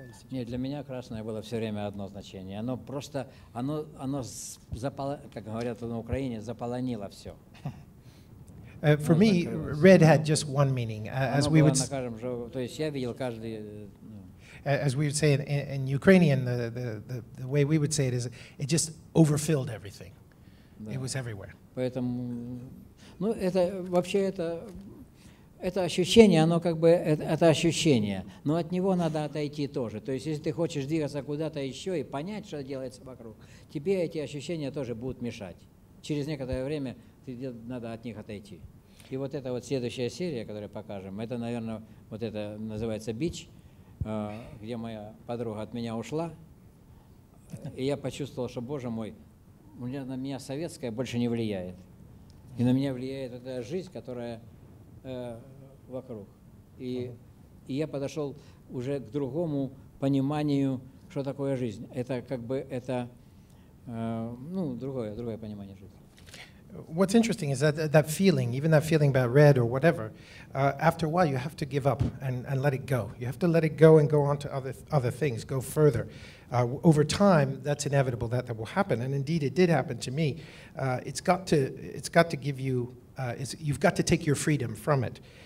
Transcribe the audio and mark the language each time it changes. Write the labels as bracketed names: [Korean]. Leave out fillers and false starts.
[Russian] Нет, для меня красное было все время одно значение. Оно просто, оно как говорят на Украине, заполонило все. [English] For me, red had just one meaning. As we would say in Ukrainian, the way we would say it is, it just overfilled everything. It was everywhere. [Russian] Поэтому, ну это вообще это ощущение, оно как бы это ощущение, но от него надо отойти тоже. То есть, если ты хочешь двигаться куда-то еще и понять, что делается вокруг, тебе эти ощущения тоже будут мешать. Через некоторое время тебе надо от них отойти. И вот эта вот следующая серия, которую покажем, это, наверное, вот это называется «Бич», где моя подруга от меня ушла, и я почувствовал, что, боже мой, на меня советская больше не влияет. И на меня влияет эта жизнь, которая... вокруг. И, и я подошел уже к другому пониманию, что такое жизнь. Это как бы это ну, другое понимание жизни. [English] What's interesting is that feeling, even that feeling about red or whatever, after a while you have to give up and let it go. You have to let it go and go on to other things, go further. Over time, that's inevitable that will happen. And indeed, it did happen to me. It's got to give you you've got to take your freedom from it.